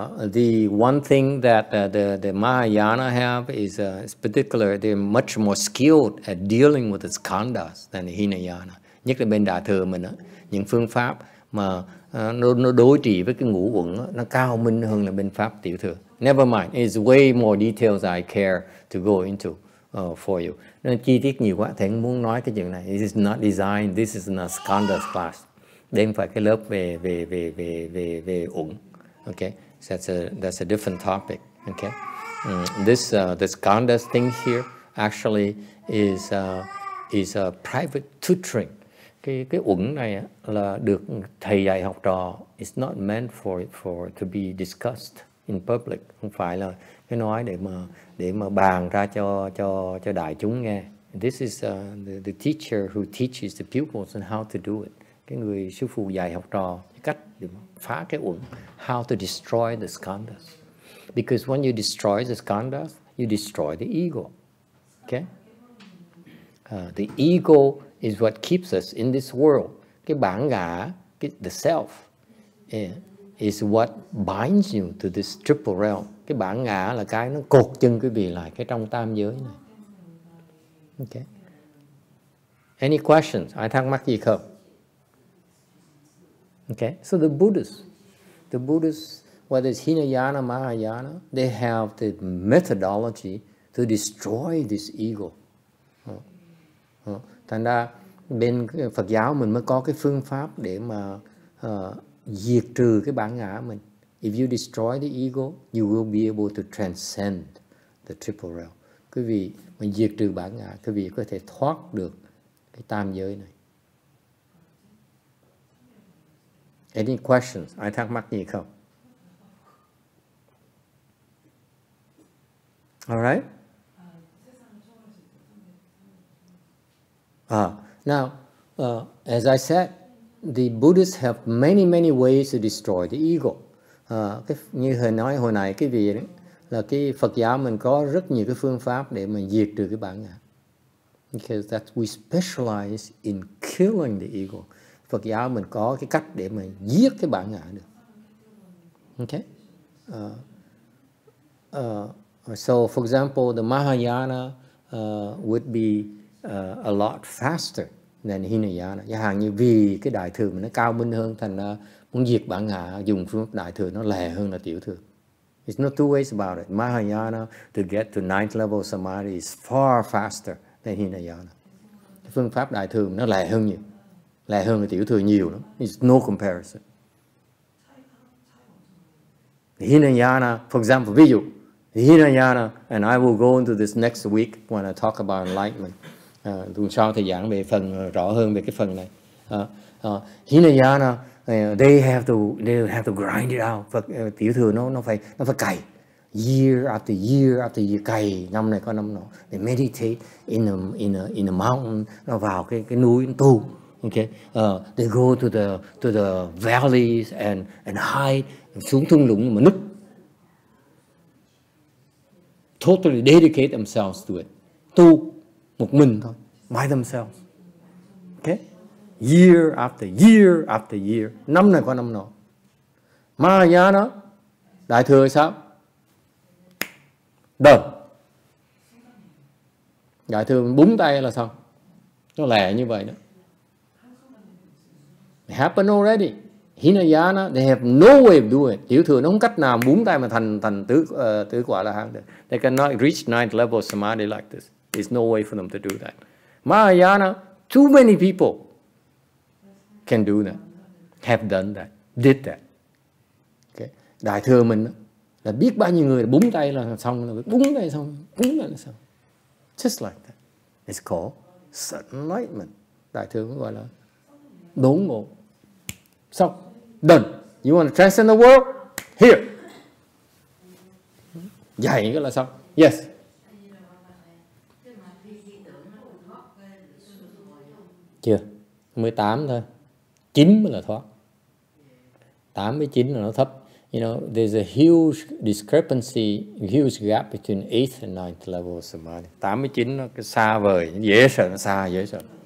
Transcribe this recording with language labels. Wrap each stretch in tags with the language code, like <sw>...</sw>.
<en>The one thing that the Mahayana have is particular. They're much more skilled at dealing with its khandhas than the Hinayana.</en> <vi>Nhất là bên đạo thừa mình á, những phương pháp mà nó đối trị với cái ngũ uẩn nó cao minh hơn là bên pháp tiểu thừa.</vi> <en>Never mind, it's way more details I care to go into for you.</en> <vi>Nên chi tiết nhiều quá, thầy muốn nói cái chuyện này.</vi> <en>This is not design, this is not skandhas class.</en> <vi>Đây phải cái lớp về uẩn.</vi> <en>Okay, that's a different topic. Okay, this skandhas thing here actually is a private tutoring.</en> <vi>Cái uẩn này là được thầy dạy học trò.</vi> <en>It's not meant for to be discussed in public,</en> <vi>không phải là cái nói để mà bàn ra cho đại chúng nghe.</vi> <en>This is the teacher who teaches the pupils on how to do it.</en> <vi>Cái người sư phụ dạy học trò cách để phá cái uẩn,</vi> <en>how to destroy the skandhas. Because when you destroy the skandhas, you destroy the ego. Okay? The ego is what keeps us in this world.</en> <vi>Cái bản ngã,</vi> <en>the self, is what binds you to this triple realm.</en> <vi>Cái bản ngã là cái nó cột chân quý vị lại cái trong tam giới này.</vi> <en>Okay. Any questions?</en> <vi>Ai thắc mắc gì không?</vi> <en>Okay. So the Buddhists, whether it's Hinayana, Mahayana, they have the methodology to destroy this ego.</en> <vi>Thành ra bên Phật giáo mình mới có cái phương pháp để mà diệt trừ cái bản ngã mình.</vi> <en>If you destroy the ego, you will be able to transcend the triple realm.</en> <vi>Quý vị, mình diệt trừ bản ngã, quý vị có thể thoát được cái tam giới này.</vi> <en>Any questions?</en> <vi>Ai thắc mắc gì không?</vi> <en>Alright. Now, as I said, the Buddhists have many, many ways to destroy the ego.</en> <vi>Như hồi nói hồi này, cái vị đấy, là cái Phật giáo mình có rất nhiều cái phương pháp để mình diệt trừ cái bản ngã.</vi> <en>Because that we specialize in killing the ego.</en> <vi>Phật giáo mình có cái cách để mình giết cái bản ngã được.</vi> <en>Okay? So, for example, the Mahayana would be a lot faster than Hinayana.</en> <vi>Giả hạn như vì cái đại thừa mình nó cao minh hơn, thành ra muốn diệt bản ngã dùng phương pháp đại thừa nó lẹ hơn là tiểu thừa.</vi> <en>It's not two ways about it. Mahayana to get to ninth level samadhi is far faster than Hinayana.</en> <vi>Phương pháp đại thừa nó lẹ hơn nhiều, lẹ hơn là tiểu thừa nhiều lắm.</vi> <en>It's no comparison. Hinayana, for example,</en> <vi>ví dụ</vi> <en>Hinayana, and I will go into this next week when I talk about enlightenment.</en> <vi>Tuần sau thầy giảng về phần rõ hơn về cái phần này. Hinayana,</vi> <en>they have to grind it out.</en> <vi>Phật tiểu thừa nó phải cày</vi> <en>year after year</en> <vi>cày năm này có năm nọ.</vi> <en>They meditate in a mountain,</en> <vi>nó vào cái núi tu.</vi> <en>Okay, they go to the valleys and hide,</en> <vi>xuống thung lũng mà núp.</vi> <en>Totally dedicate themselves to it.</en> <vi>Tu một mình thôi,</vi> <en>by themselves. Okay? Year after year after year.</en> <vi>Năm này qua năm nọ. Mahayana, đại thừa sao? Đơn. Đại thừa búng tay là xong. Nó lẻ như vậy đó.</vi> <en>It happened already. Hinayana, they have no way of doing it.</en> <vi>Tiểu thừa nó không cách nào búng tay mà thành tứ quả là hạng được.</vi> <en>They cannot reach ninth level samadhi like this. There's no way for them to do that. Mahayana, too many people can do that, have done that, did that. Okay.</en> <vi>Đại thừa mình là biết bao nhiêu người búng tay là xong, búng tay là xong.</vi> <en>Just like that. It's called sudden enlightenment.</en> <vi>Đại thừa cũng gọi là đốn ngộ.</vi> <en>So, done. You want to transcend the world? Here.</en> <vi>Dạy cái là xong. Yes. Chưa. 18 thôi. 9 mới là thoát. 8 với 9 là nó thấp.</vi> <en>You know, there's a huge discrepancy, huge gap between 8th and 9th level of samadhi.</en> <vi>8 với 9 nó xa vời, dễ sợ, nó xa, dễ sợ.</vi>